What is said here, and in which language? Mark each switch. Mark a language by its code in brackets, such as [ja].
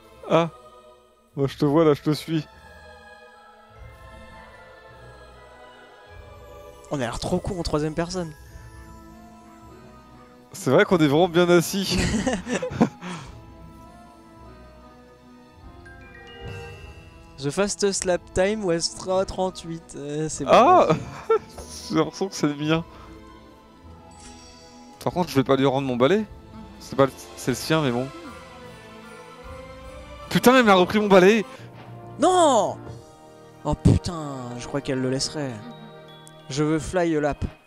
[fr] Ah, moi je te vois là, je te suis. On a l'air trop con en troisième personne. C'est vrai qu'on est vraiment bien assis. [en] The fastest lap time was 3:38. [fr] C'est bon. Ah, j'ai l'impression que c'est le mien. Par contre, je vais pas lui rendre mon balai. C'est pas c'est le sien, mais bon. Putain, elle m'a repris mon balai. Non. Oh putain, je crois qu'elle le laisserait. Je veux [en] fly a lap.